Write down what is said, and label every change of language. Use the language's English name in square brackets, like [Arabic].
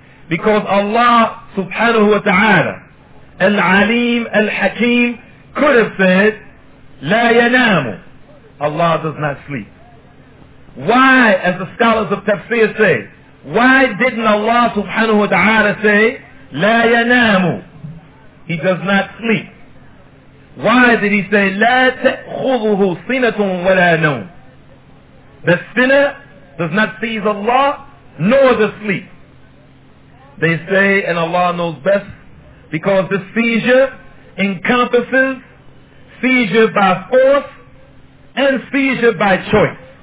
[English] Because Allah subhanahu wa ta'ala, Al-Alim, Al-Hakim, could have said, [Arabic] لا ينام, [English] Allah does not sleep. Why, as the scholars of tafsir say, why didn't Allah subhanahu wa ta'ala say, [Arabic] لا ينام, [English] he does not sleep? Why did he say, [Arabic] لا تأخذه سنة ولا نوم? [English] The sinner does not seize Allah, nor the sleep. They say, and Allah knows best, because the seizure encompasses seizure by force and seizure by choice.